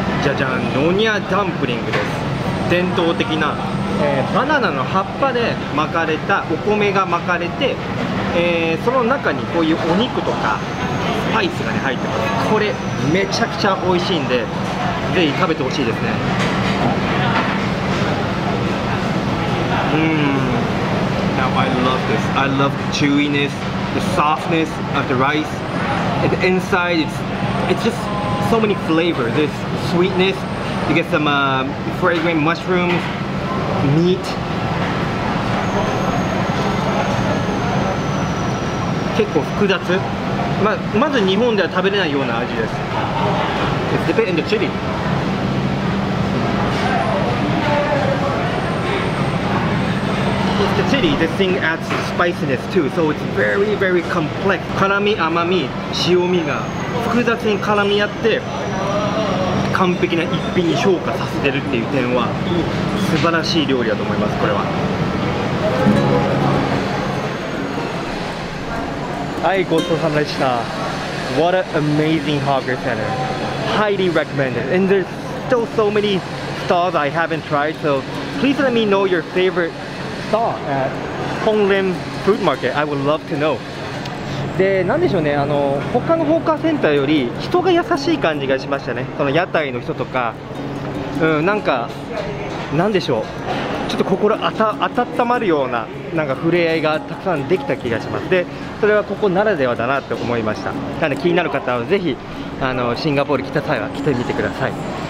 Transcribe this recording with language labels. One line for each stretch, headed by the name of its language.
Japanese: じゃじゃん、ノニアダンプリングです。伝統的な、バナナの葉っぱで巻かれたお米が巻かれて、その中にこういうお肉とかスパイスが、ね、入ってます。これめちゃくちゃ美味しいんで、ぜひ食べてほしいですね。
English: I love this. I love the chewiness, the softness of the rice. And the inside, it's just so many flavors. There's sweetness, you get some fragrant mushrooms, meat.
Japanese: 結構複雑。まず日本では食べれないような味です。
English: Let's dip it in the chili. The chili, this thing adds spiciness too, so it's very, very complex.
Japanese: 辛み、甘み、塩みが複雑に絡み合って完璧な一品に昇華させてるっていう点は素晴らしい料理だと思います、これは。はい、ごちそうさまでした。
English: What an amazing hawker center. Highly recommended. And there's still so many stalls I haven't tried, so please let me know your favorite. At Hong Lim Food Market, I would love to know.
Japanese: で、なんでしょうね、他のホーカーセンターより人が優しい感じがしましたね、その屋台の人とか、うん、なんか、なんでしょう、ちょっと心温まるような、なんか触れ合いがたくさんできた気がします、で、それはここならではだなって思いました、なので気になる方はぜひ、シンガポール来た際は来てみてください。